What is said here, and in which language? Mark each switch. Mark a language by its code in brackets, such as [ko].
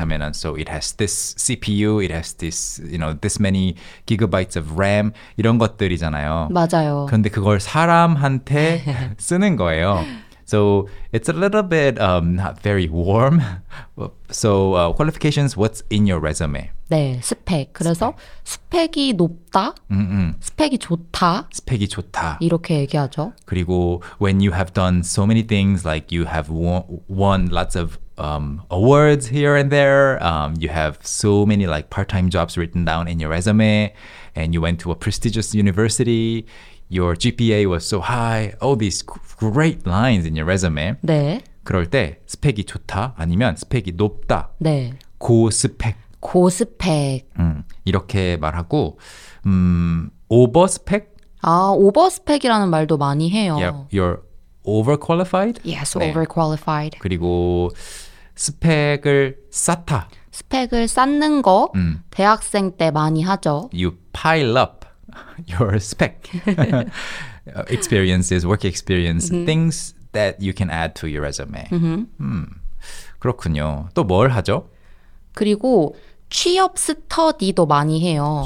[ko] 하면은 [en] so it has this CPU, it has this, you know, this many gigabytes of RAM [ko] 이런 것들이잖아요. 맞아요. 그런데 그걸 사람한테 쓰는 거예요. [en] So it's a little bit not very warm. So qualifications, what's in your resume? [ko] 네, 스펙. 그래서 스펙이 높다, 스펙이 좋다. 스펙이 좋다. 이렇게 얘기하죠. 그리고 [en] when you have done so many things, like you have won lots of awards here and there, you have so many like part-time jobs written down in your resume, and you went to a prestigious university, your GPA was so high, all these great lines in your resume. [ko] 네. 그럴 때 스펙이 좋다 아니면 스펙이 높다. 네. 고스펙. 고스펙. 이렇게 말하고 오버스펙? 아, 오버스펙이라는 말도 많이 해요. [en] Yeah, you're overqualified? Yes, [ko] 네. [en] overqualified. [ko] 그리고 스펙을 쌓다. 스펙을 쌓는 거 대학생 때 많이 하죠. [en] You pile up your spec. Experiences, work experience, things that you can add to your resume. [ko] 그렇군요. 또 뭘 하죠? 그리고 취업 스터디도 많이 해요.